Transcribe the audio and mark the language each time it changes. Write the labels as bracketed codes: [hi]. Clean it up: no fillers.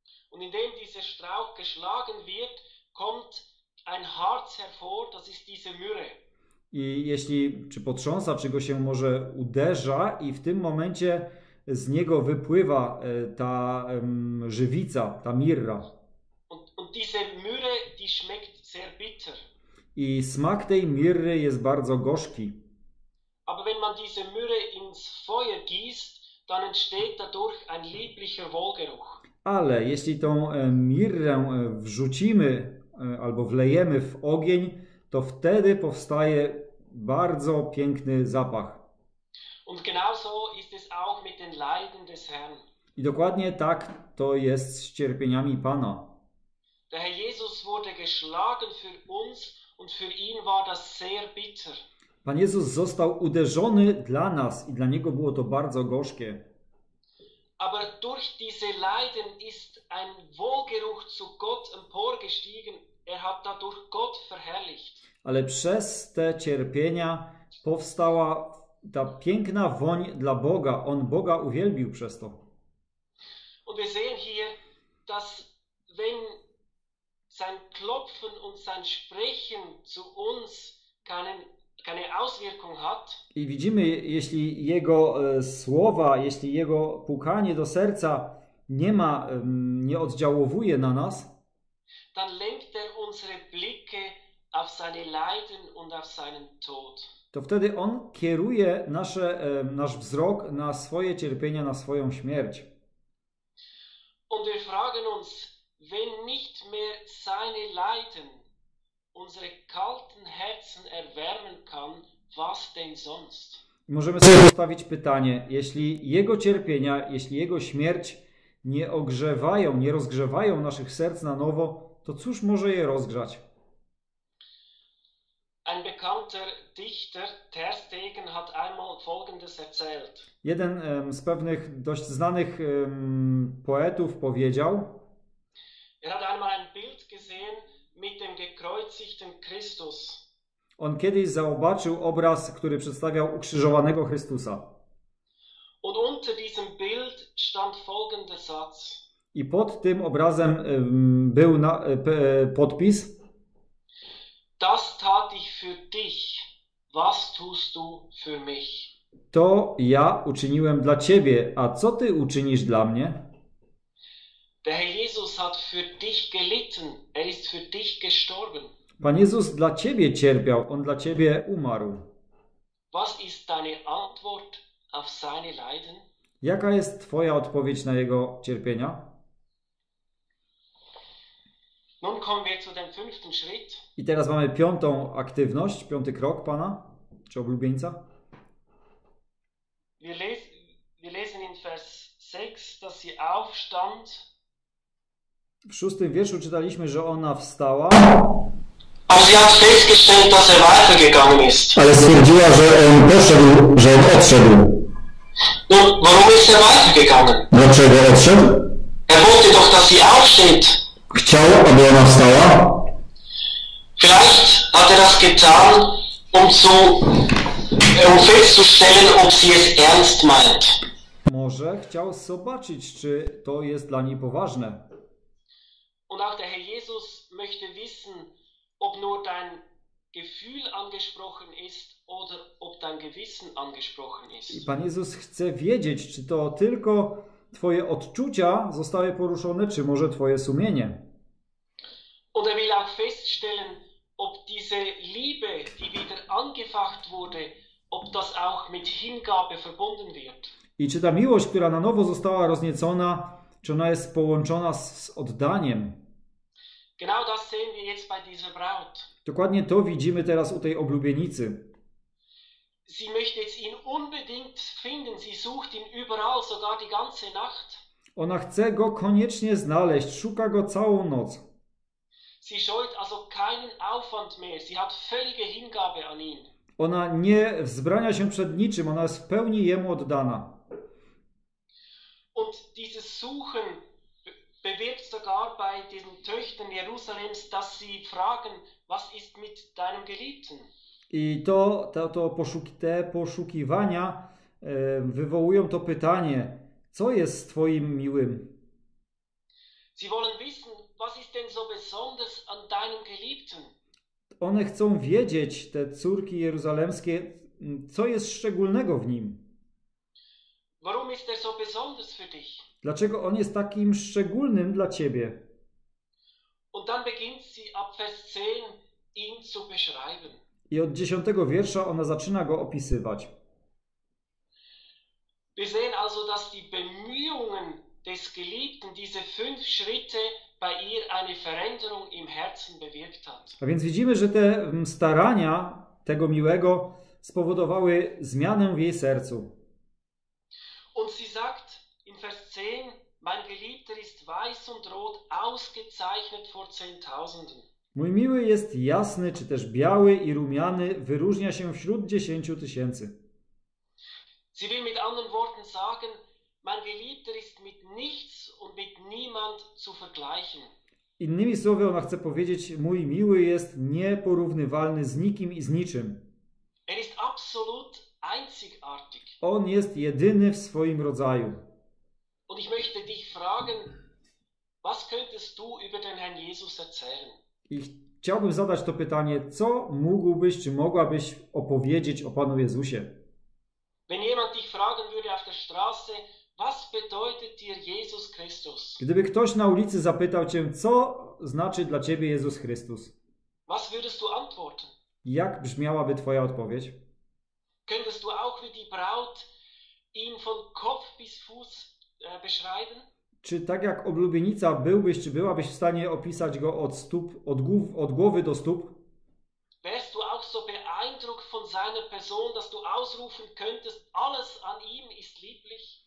[de] Und indem dieser Strauch geschlagen wird, kommt ein Harz hervor, das ist diese Myrrhe. [pl] I jeśli czy potrząsa, czy go się może uderza, i w tym momencie z niego wypływa ta żywica, ta mirra. [de] Und diese Myrrhe, die schmeckt sehr bitter. [pl] I smak tej mirry jest bardzo gorzki. [de] Aber wenn man diese Myrrhe ins Feuer gießt, dann entsteht dadurch ein lieblicher Wohlgeruch. [pl] Ale jeśli tą mirrę wrzucimy albo wlejemy w ogień, to wtedy powstaje bardzo piękny zapach. [de] Und genau so ist es auch mit den Leiden des Herrn. [pl] I dokładnie tak to jest z cierpieniami Pana. [de] Der Herr Jesus wurde geschlagen für uns und für ihn war das sehr bitter. [pl] Pan Jezus został uderzony dla nas i dla Niego było to bardzo gorzkie. [de] Aber durch diese Leiden ist ein Wohlgeruch zu Gott emporgestiegen. Er hat dadurch Gott verherrlicht. [pl] Ale przez te cierpienia powstała ta piękna woń dla Boga. On Boga uwielbił przez to. [de] Und wir sehen hier, dass wenn sein Klopfen und sein Sprechen zu uns keine Auswirkung hat. [pl] I widzimy, jeśli jego słowa, jeśli jego pukanie do serca nie ma, nie oddziałowuje na nas, [de] dann lenkt er unsere Blicke auf seine Leiden und auf seinen Tod. [pl] To wtedy on kieruje nasz wzrok na swoje cierpienia, na swoją śmierć. [de] Und wir fragen uns, wenn nicht mehr seine Leiden unsere kalten Herzen erwärmen kann, was denn sonst? [pl] Możemy sobie postawić pytanie, jeśli jego cierpienia, jeśli jego śmierć nie ogrzewają, nie rozgrzewają naszych serc na nowo, to cóż może je rozgrzać? [de] Ein bekannter Dichter, Ter Stegen, hat einmal folgendes erzählt. [pl] Jeden z pewnych dość znanych poetów powiedział. [de] Er hat einmal ein Bild gesehen mit dem gekreuzigten Christus. [pl] On kiedyś zobaczył obraz, który przedstawiał ukrzyżowanego Chrystusa. [de] Und unter diesem Bild stand folgender Satz. [pl] I pod tym obrazem był podpis. [de] Das tat ich für dich. Was tust du für mich? [pl] To ja uczyniłem dla ciebie, a co ty uczynisz dla mnie? [de] Der Herr Jesus hat für dich gelitten. Er ist für dich gestorben. [pl] Pan Jezus dla ciebie cierpiał, on dla ciebie umarł. [de] Was ist deine Antwort auf seine Leiden? [pl] Jaka jest twoja odpowiedź na jego cierpienia? [de] Nun kommen wir zu dem fünften Schritt. [pl] I teraz mamy piątą aktywność, piąty krok Pana, czy oblubieńca. [de] Wir lesen in Vers 6, dass sie aufstand. [pl] W szóstym wierszu czytaliśmy, że ona wstała. [de] Aber sie hat festgestellt, dass er weitergegangen ist. [pl] Ale stwierdziła, że on poszedł, że on odszedł. [de] Nun, warum ist er weitergegangen? [pl] Dlaczego odszedł? [de] Er wollte doch, dass sie aufsteht. [pl] Chciał, aby ona wstała. [de] Vielleicht hat er das getan, um festzustellen, ob sie es ernst meint. [pl] Może chciał zobaczyć, czy to jest dla niej poważne. [de] Und auch der Herr Jesus möchte wissen, ob nur dein Gefühl angesprochen ist oder ob dein Gewissen angesprochen ist. [pl] I Pan Jezus chce wiedzieć, czy to tylko twoje odczucia zostały poruszone, czy może twoje sumienie. [de] Und er will auch feststellen, ob diese Liebe, die wieder angefacht wurde, ob das auch mit Hingabe verbunden wird. [pl] I czy ta miłość, która na nowo została rozniecona, czy ona jest połączona z oddaniem? [de] Genau das sehen wir jetzt bei dieser Braut. [pl] Dokładnie to widzimy teraz u tej oblubienicy. [de] Sie möchte jetzt ihn unbedingt finden. Sie sucht ihn überall, sogar die ganze Nacht. [pl] Ona chce go koniecznie znaleźć. Szuka go całą noc. [de] Sie scheut also keinen Aufwand mehr. Sie hat völlige Hingabe an ihn. [pl] Ona nie wzbrania się przed niczym. Ona jest w pełni jemu oddana. [de] Und dieses Suchen bewirkt sogar bei diesen Töchtern Jerusalems, dass sie fragen, was ist mit deinem Geliebten? [pl] I te poszukiwania wywołują to pytanie, co jest z twoim miłym? [de] Sie wollen wissen, was ist denn so besonders an deinem Geliebten? [pl] One chcą wiedzieć, te córki jeruzalemskie, co jest szczególnego w nim? [de] Warum ist er so besonders für dich? [pl] Dlaczego on jest takim szczególnym dla ciebie? [de] Und dann beginnt sie ab Vers 10 ihn zu beschreiben. [pl] I od 10 wiersza ona zaczyna go opisywać. [de] Wir sehen also, dass die Bemühungen des Geliebten diese fünf Schritte bei ihr eine Veränderung im Herzen bewirkt hat. [pl] A więc widzimy, że te starania tego miłego spowodowały zmianę w jej sercu. [de] Und sie sagt in Vers 10, mein Geliebter ist weiß und rot, ausgezeichnet vor Zehntausenden. [pl] Mój miły jest jasny, czy też biały i rumiany, wyróżnia się wśród 10 tysięcy. [de] Sie will mit anderen Worten sagen, mein Geliebter ist mit nichts und mit niemand zu vergleichen. [pl] Innymi słowy, ona chce powiedzieć, mój miły jest nieporównywalny z nikim i z niczym. [de] Er ist absolut einzigartig. [pl] On jest jedyny w swoim rodzaju. [de] Und ich möchte dich fragen, was könntest du über den Herrn Jesus erzählen? [pl] I chciałbym zadać to pytanie, co mógłbyś, czy mogłabyś opowiedzieć o Panu Jezusie? [de] Wenn jemand dich fragen würde auf der Straße, was bedeutet dir Jesus Christus? [pl] Gdyby ktoś na ulicy zapytał Cię, co znaczy dla Ciebie Jezus Chrystus? [de] Was würdest du antworten? [pl] Jak brzmiałaby Twoja odpowiedź? [de] Könntest du auch wie die Braut ihn von Kopf bis Fuß beschreiben? [pl] Czy tak jak oblubienica byłbyś, czy byłabyś w stanie opisać go od stóp, od głowy do stóp? [de] Wärst du auch so beeindruckt von seiner Person, dass du ausrufen könntest, alles an ihm ist lieblich?